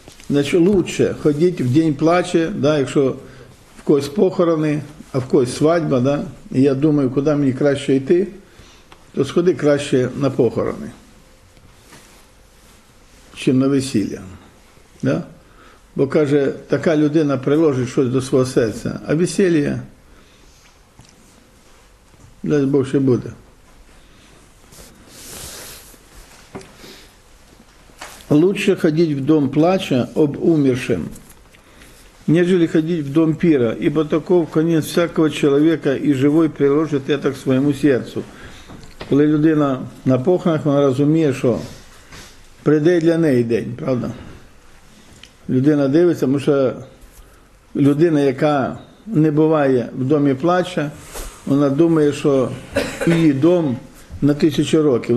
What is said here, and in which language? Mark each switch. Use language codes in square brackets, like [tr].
[uk] Значить, лучше ходити в день плача, да, якщо в когось похорони, а в когось свадьба, да, і я думаю, куди мені краще йти, то сходи краще на похорони, чим на весілля. Да? Бо, каже, така людина приложить щось до свого серця, а весілля, дай Бог, ще буде. [ru] Лучше ходить в дом плача об умершим, нежели ходить в дом пира, ибо таков конец всякого человека, и живой приложит это к своему сердцу. [uk] Коли людина на похоронах, вона розуміє, що прийде для неї день, правда? Людина дивиться, тому що людина, яка не буває в домі плача, вона думає, що її дом на тисячу років.